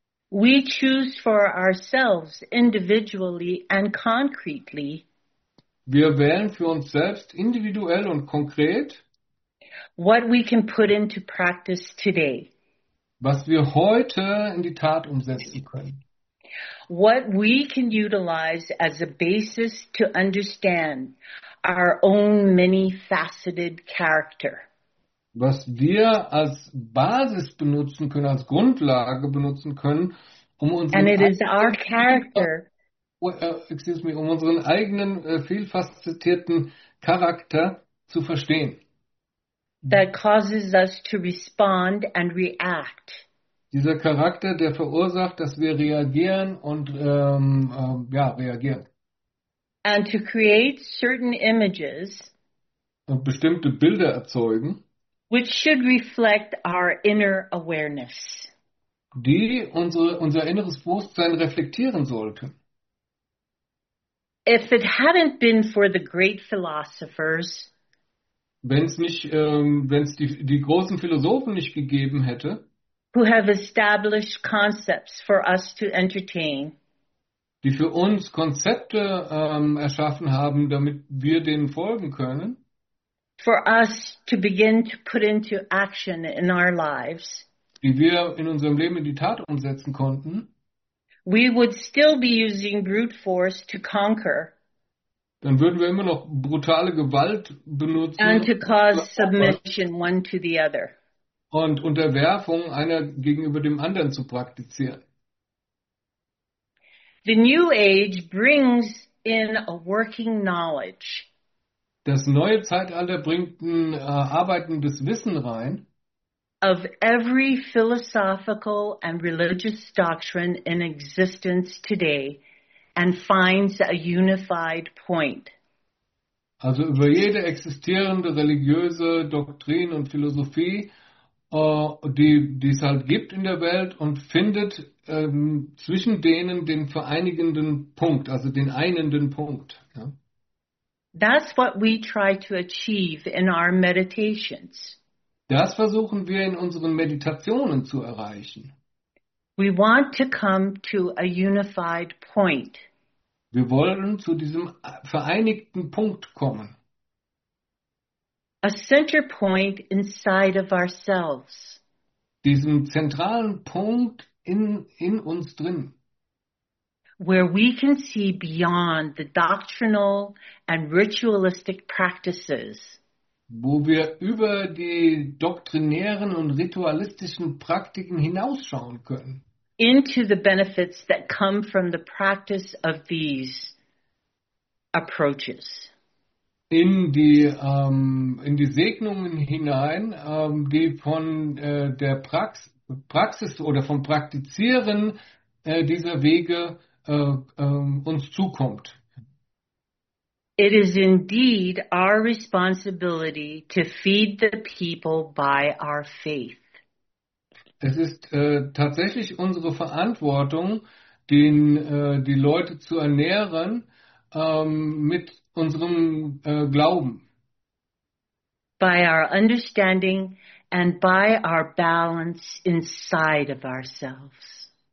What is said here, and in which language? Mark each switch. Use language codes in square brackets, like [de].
[en] We choose for ourselves individually and concretely. [de] Wir wählen für uns selbst individuell und konkret, [en] what we can put into practice today. [de] Was wir heute in die Tat umsetzen können. [en] What we can utilize as a basis to understand our own many-faceted character. [de] Was wir als Basis benutzen können, als Grundlage benutzen können, um unseren [en] And it is our character. [de] Um unseren eigenen vielfacetierten Charakter zu verstehen. [en] That causes us to respond and react. [de] Dieser Charakter, der verursacht, dass wir reagieren und reagieren. [en] And to create certain images, [de] und bestimmte Bilder erzeugen, [en] which should reflect our inner awareness. [de] Die unser inneres Bewusstsein reflektieren sollten. [en] If it hadn't been for the great philosophers, [de] wenn es die großen Philosophen nicht gegeben hätte, [en] who have established concepts for us to entertain, [de] die für uns Konzepte erschaffen haben, damit wir denen folgen können, [en] for us to begin to put into action in our lives, [de] die wir in unserem Leben in die Tat umsetzen konnten, [en] we would still be using brute force to conquer, [de] dann würden wir immer noch brutale Gewalt benutzen [en] and to cause submission one to the other, [de] und Unterwerfung einer gegenüber dem anderen zu praktizieren. [en] The New Age brings in a working knowledge. [de] Das neue Zeitalter bringt ein arbeitendes Wissen rein. [en] Of every philosophical and religious doctrine in existence today and finds a unified point. [de] Also über jede existierende religiöse Doktrin und Philosophie, die es halt gibt in der Welt, und findet zwischen denen den vereinigenden Punkt, also den einenden Punkt. Ja. [en] That's what we try to achieve in our meditations. [de] Das versuchen wir in unseren Meditationen zu erreichen. [en] We want to come to a unified point. [de] Wir wollen zu diesem vereinigten Punkt kommen. [en] A center point inside of ourselves. [de] Diesen zentralen Punkt in uns drin. [en] Where we can see beyond the doctrinal and ritualistic practices. [de] Wo wir über die doktrinären und ritualistischen Praktiken hinausschauen können. [en] Into the benefits that come from the practice of these approaches. [de] In die Segnungen hinein, die von der Praxis oder vom Praktizieren dieser Wege uns zukommt. [en] It is indeed our responsibility to feed the people by our faith. [de] Es ist tatsächlich unsere Verantwortung, die Leute zu ernähren mit unserem Glauben. [en] By our understanding and by our balance inside of ourselves.